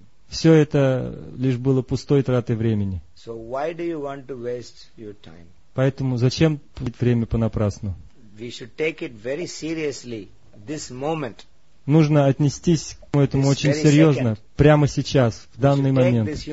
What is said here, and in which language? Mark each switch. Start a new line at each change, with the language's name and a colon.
Russian: Все это лишь было пустой тратой времени.
English: So why do you want to waste your time?
Russian: Поэтому зачем тратить время понапрасну?
English: We should take it very seriously, this moment.
Russian: Нужно отнестись к этому очень серьезно, прямо сейчас, в данный момент.